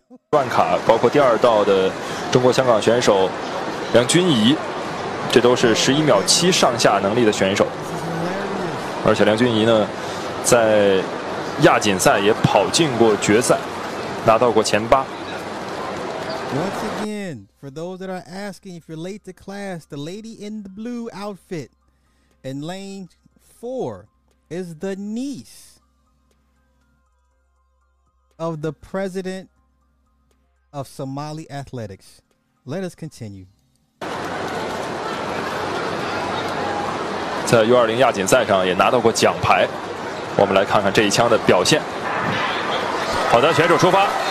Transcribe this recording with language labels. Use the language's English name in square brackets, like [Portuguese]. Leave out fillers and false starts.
[Chinese] 段卡包括第二道的中国香港选手 梁君怡， 这都是11秒7 上下能力的选手。而且梁君怡呢， 在亚锦赛也跑进过决赛， 拿到过前8。 [English] Once again, for those that are asking, if you're late to class, the lady in the blue outfit in lane 4 is the niece of the president of Somali Athletics. Let us continue. [Chinese] 在 U20 亚锦赛上也拿到过奖牌。我们来看看这一枪的表现。好的，选手出发。